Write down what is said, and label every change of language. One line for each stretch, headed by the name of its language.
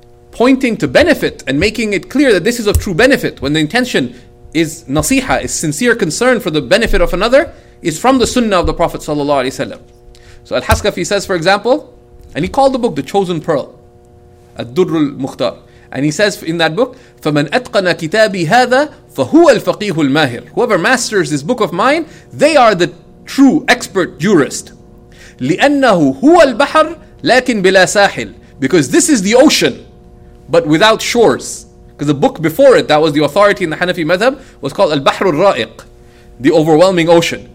English: Pointing to benefit and making it clear that this is of true benefit, when the intention is nasiha, is sincere concern for the benefit of another, is from the sunnah of the Prophet ﷺ. So Al-Haskafi says, for example, and he called the book The Chosen Pearl, Ad-Durr al-Mukhtar. And he says in that book,
Arabic: فَمَنْ أَتْقَنَ كِتَابِي هَذَا فَهُوَ الْفَقِيهُ الْمَاهِرُ.
English: Whoever masters this book of mine, they are the true expert jurist.
Arabic: لِأَنَّهُ هُوَ الْبَحَرْ لَكِنْ بِلَا سَاحِلْ.
English: Because this is the ocean, but without shores. Because the book before it, that was the authority in the Hanafi madhab, was called Al-Bahru al-Ra'iq, the overwhelming ocean.